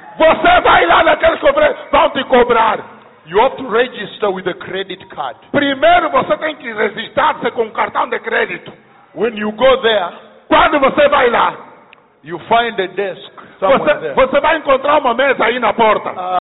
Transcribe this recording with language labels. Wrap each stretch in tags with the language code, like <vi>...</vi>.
<pt>Você vai lá naquele cobre, vão te cobrar.</pt> <en>You have to register with a credit card.</en> <pt>Primeiro você tem que registrar-se com um cartão de crédito.</pt> <en>When you go there,</en> <pt>quando você vai lá,</pt> <en>you find a desk somewhere there.</en> <pt>Você vai encontrar uma mesa aí na porta.</pt>